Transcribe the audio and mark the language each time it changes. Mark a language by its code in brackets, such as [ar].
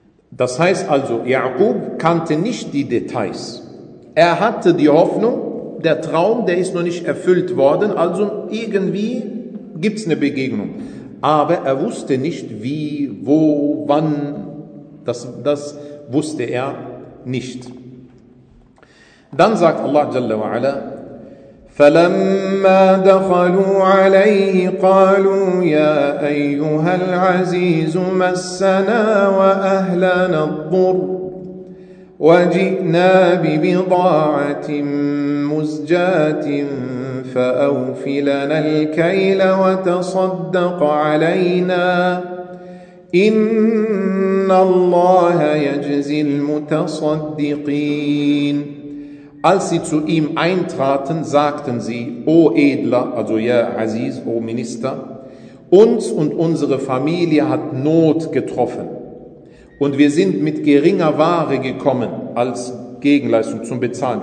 [de] Das heißt also, Ja'qub kannte nicht die Details. Er hatte die Hoffnung, der Traum, der ist noch nicht erfüllt worden, also irgendwie gibt es eine Begegnung. Aber er wusste nicht, wie, wo, wann, das wusste er nicht. Dann sagt Allah Jalla wa Ala, [ar] فَلَمَّا دَخَلُوا عَلَيْهِ قَالُوا يَا أَيُّهَا الْعَزِيزُ مَسَّنَا وَأَهْلَنَا الضُّرُّ وَجِئْنَا بِبِضَاعَةٍ مُزْجَاةٍ فَأَوْفِ لَنَا الْكَيْلَ وَتَصَدَّقْ عَلَيْنَا إِنَّ اللَّهَ يَجْزِي الْمُتَصَدِّقِينَ. [de] Als sie zu ihm eintraten, sagten sie, O Edler, also ja Aziz, O Minister, uns und unsere Familie hat Not getroffen und wir sind mit geringer Ware gekommen als Gegenleistung zum Bezahlen.